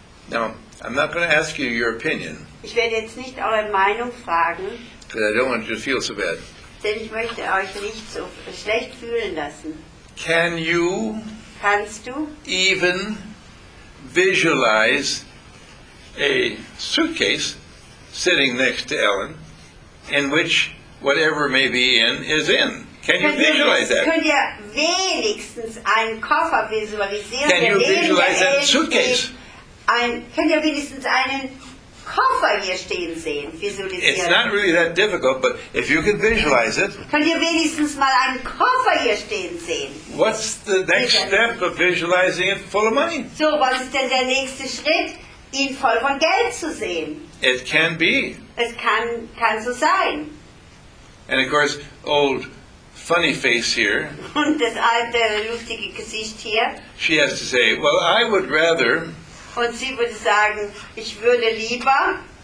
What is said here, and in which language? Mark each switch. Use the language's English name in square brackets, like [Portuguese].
[English] Now, I'm not going to ask you your opinion. [German] Ich werde jetzt nicht eure Meinung fragen. [English] Because I don't want you to feel so bad. [German] Denn ich möchte euch nicht so schlecht fühlen lassen. [English] Can you [German] kannst du [English] even visualize a suitcase sitting next to Ellen in which whatever may be in is in? Can you visualize that? [German] Könnt ihr wenigstens einen Koffer visualisieren? [English] Can you visualize that suitcase? [German] Könnt ihr wenigstens einen Koffer hier stehen sehen, visualisieren? [English] It's not really that difficult, but if you can visualize it. [German] Könnt ihr wenigstens mal einen Koffer hier stehen sehen? [English] What's the next step of visualizing it full of money? [German] So, was ist denn der nächste Schritt, ihn voll von Geld zu sehen? [English] It can be. [German] Es kann so sein. [English] And of course, old funny face here. [German] Und das alte, lustige Gesicht hier. [English] She has to say, well, I would rather. [German] Und sie würde sagen, ich würde lieber.